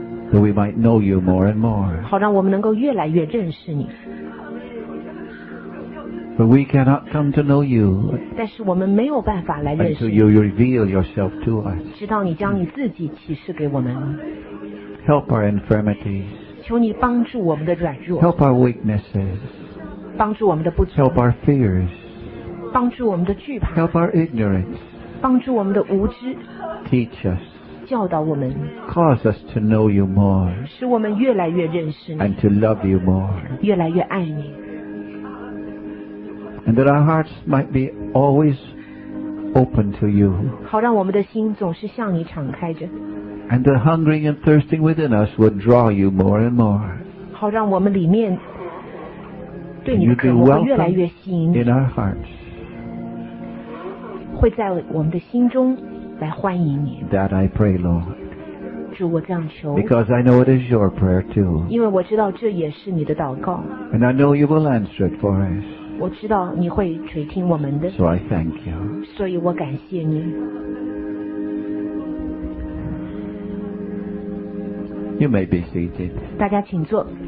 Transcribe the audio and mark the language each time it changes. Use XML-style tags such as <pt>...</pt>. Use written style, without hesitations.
<en>So we might know you more and more.</en> <zh>好让我们能够越来越认识你。</zh> <en>But we cannot come to know you.</en> <zh>但是我们没有办法来认识。</zh> <en>Until you reveal yourself to us.</en> <zh>直到你将你自己启示给我们。</zh> <en>Help our infirmities.</en> <zh>求你帮助我们的软弱。</zh> <en>Help our weaknesses.</en> <zh>帮助我们的不足。</zh> <en>Help our fears.</en> <zh>帮助我们的惧怕。</zh> <en>Help our ignorance.</en> <zh>帮助我们的无知。</zh> <en>Teach us.</en> <zh>教导我们。</zh> <en>Cause us to know you more.</en> <zh>使我们越来越认识你。</zh> <en>And to love you more.</en> <zh>越来越爱你。</zh> <en>And that our hearts might be always open to you.</en> <zh>好让我们的心总是向你敞开着。</zh> <en>And the hungering and thirsting within us would draw you more and more.</en> <zh>好让我们里面对你的渴望越来越吸引。</zh> <en>In our hearts.</en> <zh>会在我们的心中来欢迎你。</zh> <en>That I pray, Lord.</en> <zh>主，我这样求。</zh> <en>Because I know it is your prayer too.</en> <zh>因为我知道这也是你的祷告。</zh> <en>And I know you will answer it for us.</en> <zh>我知道你会垂听我们的</zh> <en>So I thank you</en> <zh>所以我感谢你</zh> <en>You may be seated</en> <zh>大家请坐</zh>